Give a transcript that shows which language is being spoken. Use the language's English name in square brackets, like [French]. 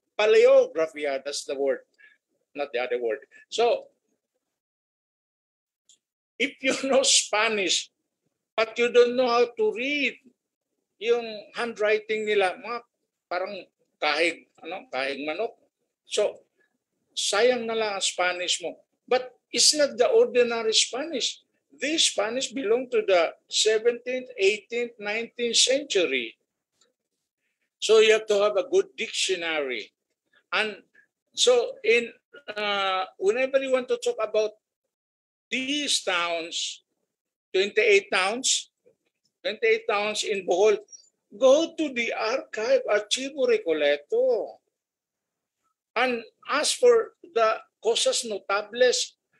[English] Paleography, yeah, that's the word, not the other word. So if you know Spanish, but you don't know how to read yung handwriting nila, mga parang kahig, ano, kahig manok. [Filipino] So, sayang na lang ang Spanish mo. [English] But it's not the ordinary Spanish. This Spanish belong to the 17th, 18th, 19th century. So you have to have a good dictionary. And so in whenever you want to talk about these towns, 28 towns in Bohol, go to the archive, Archivo Recoleto, and ask for the cosas notables.